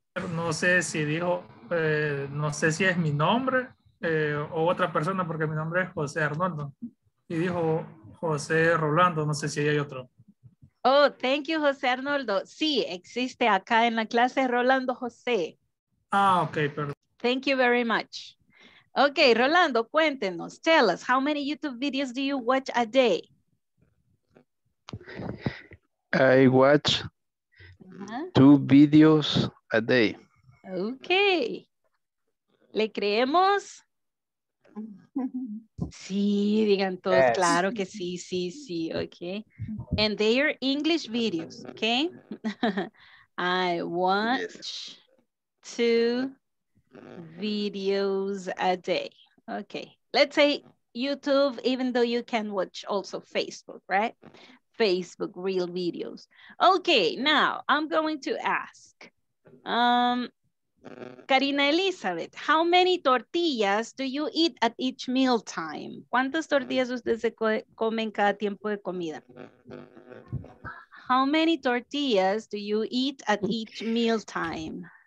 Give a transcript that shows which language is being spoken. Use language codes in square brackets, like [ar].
[es] No sé si dijo, no sé si es mi nombre o otra persona, porque mi nombre es José Arnoldo. Y dijo José Rolando, no sé si hay otro. [en] Oh, thank you, José Arnoldo. [es] Sí, existe acá en la clase Rolando José. Ah, okay, perdón. [en] Thank you very much. Okay, Rolando, [es] cuéntenos. [en] Tell us, how many YouTube videos do you watch a day? I watch two videos a day. [es] Okay. ¿Le creemos? Sí, digan todos, yes. Claro que sí, sí, sí, okay. [en] And they are English videos, okay? I watch two videos a day. Okay, let's say YouTube, even though you can watch also Facebook, right? Facebook, real videos. Okay, now I'm going to ask. Karina Elizabeth, how many tortillas do you eat at each meal time? [es] ¿Cuántas tortillas ustedes se comen cada tiempo de comida? [en] How many tortillas do you eat at each meal time?